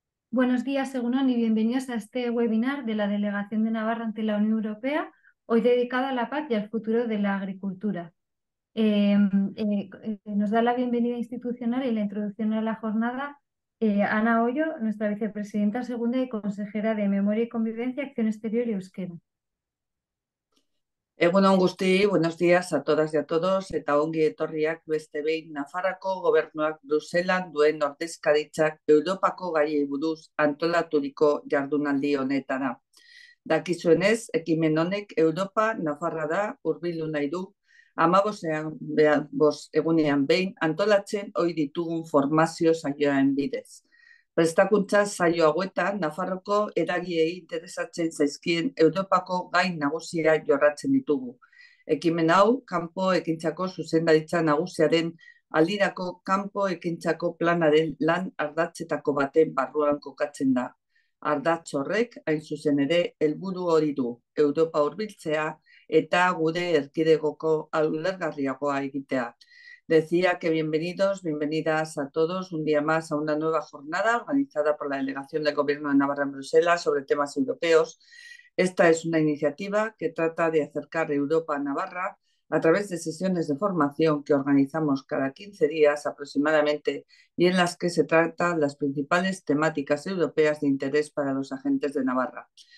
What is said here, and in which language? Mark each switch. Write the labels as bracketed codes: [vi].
[es] Buenos días, Egunon, y bienvenidos a este webinar de la Delegación de Navarra ante la Unión Europea, hoy dedicado a la PAC y al futuro de la agricultura. Nos da la bienvenida institucional y la introducción a la jornada Ana Ollo, nuestra vicepresidenta segunda y consejera de Memoria y Convivencia, Acción Exterior y Euskera. [eu] Egunon guzti, [es] buenos días a todas y a todos, [eu] eta ongi etorriak beste behin Nafarroako gobernuak Bruselan duen ordezkaritzak Europako gaiei buruz antolaturiko jardunaldi honetara. Dakizuenez, ekimen honek Europa Nafarra da hurbildu nahi du 15 egunean behin antolatzen ohi ditugun formazio saioen bidez. Prestakuntza saio hauetan, Nafarroko eragiei interesatzen zaizkien Europako gai nagusia jorratzen ditugu. Ekimen hau, kanpo ekintzako zuzendaritza nagusiaren aldirako kanpo ekintzako planaren lan ardatzetako baten barruan kokatzen da. Ardatz horrek, hain zuzen ere, helburu hori du, Europa hurbiltzea eta gure erkidegoko ulergarriagoa egitea. [es] Decía que bienvenidos, bienvenidas a todos, un día más a una nueva jornada organizada por la Delegación del Gobierno de Navarra en Bruselas sobre temas europeos. Esta es una iniciativa que trata de acercar Europa a Navarra a través de sesiones de formación que organizamos cada 15 días aproximadamente y en las que se tratan las principales temáticas europeas de interés para los agentes de Navarra.